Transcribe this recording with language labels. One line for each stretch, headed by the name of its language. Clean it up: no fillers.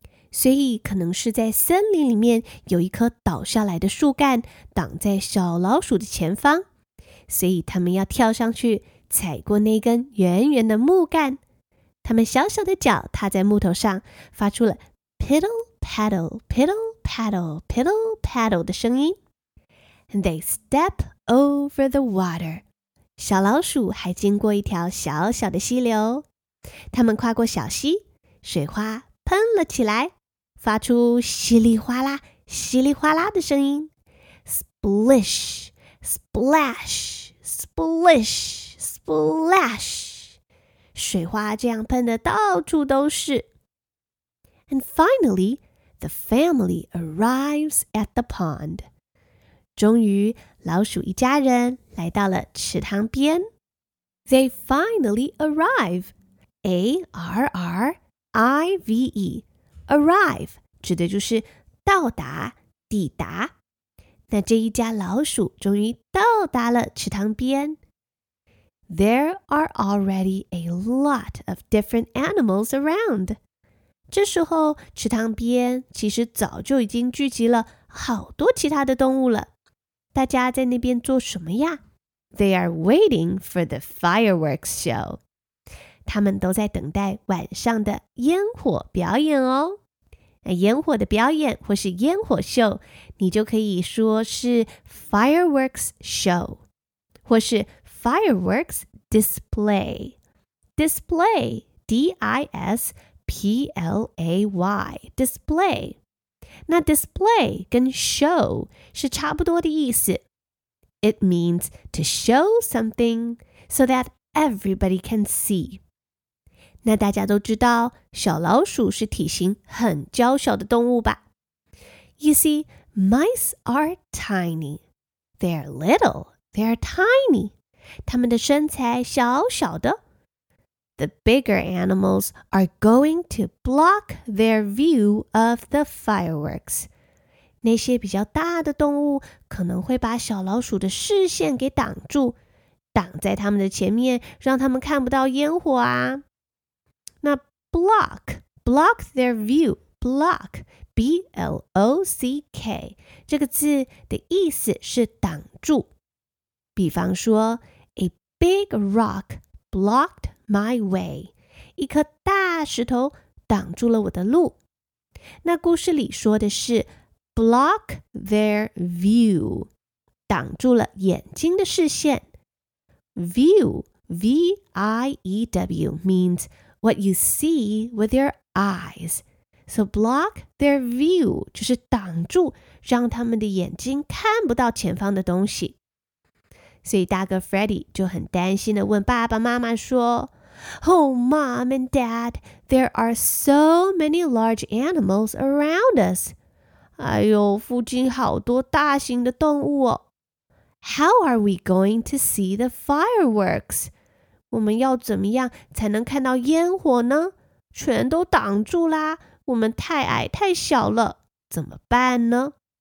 Chinese: 所以可能是在森林里面有一棵倒下来的树干挡在小老鼠的前方，所以他们要跳上去踩过那根圆圆的木干，他们小小的脚踏在木头上，发出了 piddle。
English: Paddle, piddle, paddle, piddle, paddle
Chinese: 的声音。
English: And they step over the water.
Chinese: 小老鼠还经过一条小小的溪流。他们跨过小溪，水花喷了起来，发出稀里哗啦、稀里哗啦的声音。
English: Splish, splash, splish, splash.
Chinese: 水花这样喷的到处都是。
English: And finally,The family arrives at the pond.
Chinese: 终于，老鼠一家人来到了池塘边。
English: They finally arrive. A-R-R-I-V-E.
Chinese: Arrive 指的就是到达、抵达。那这一家老鼠终于到达了池塘边。
English: There are already a lot of different animals around.
Chinese: 这时候池塘边其实早就已经聚集了好多其他的动物了。大家在那边做什么呀?
English: They are waiting for the fireworks show.
Chinese: 他们都在等待晚上的烟火表演哦。那烟火的表演或是烟火秀，你就可以说是 fireworks show， 或是 fireworks display。
English: Display, D-I-S-P-L-A-Y, display.
Chinese: 那 display 跟 show 是差不多的意思。
English: It means to show something so that everybody can see.
Chinese: 那大家都知道小老鼠是体型很娇小的动物吧?
English: You see, mice are tiny. They're little, they're tiny.
Chinese: 他们的身材小小的。
English: The bigger animals are going to block their view of the fireworks.
Chinese: 那些比较大的动物可能会把小老鼠的视线给挡住，挡在他们的前面，让他们看不到烟火啊。那 block their view, block, B-L-O-C-K, 这个字的意思是挡住。比方说 ,
English: a big rock blocked my way,
Chinese: 一颗大石头挡住了我的路。那故事里说的是 block their view, 挡住了眼睛的视线。
English: View, V-I-E-W, means what you see with your eyes. So block their view,
Chinese: 就是挡住让他们的眼睛看不到前方的东西。所以大哥 Freddy 就很担心地问爸爸妈妈说，
English: Oh, Mom and Dad, there are so many large animals around us.
Chinese: 哎呦，附近好多大型的动物哦。
English: How are we going to see the fireworks?
Chinese: 我们要怎么样才能看到烟火呢？全都挡住啦，我们太矮太小了，怎么办呢？